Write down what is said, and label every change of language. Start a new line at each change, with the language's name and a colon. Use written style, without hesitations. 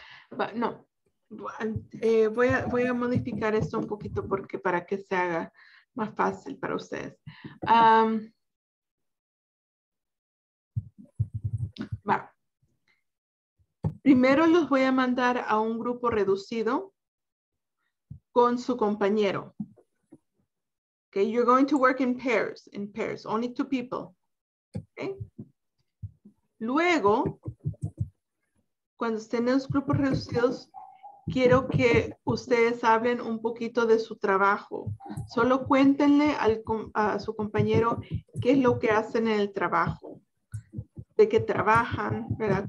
Spanish: Voy a modificar esto un poquito porque para que se haga más fácil para ustedes. Primero los voy a mandar a un grupo reducido con su compañero.
English: Okay, you're going to work in pairs, only two people. Okay.
Spanish: Luego, cuando estén en los grupos reducidos, quiero que ustedes hablen un poquito de su trabajo. Solo cuéntenle a su compañero qué es lo que hacen en el trabajo, de qué trabajan, ¿verdad?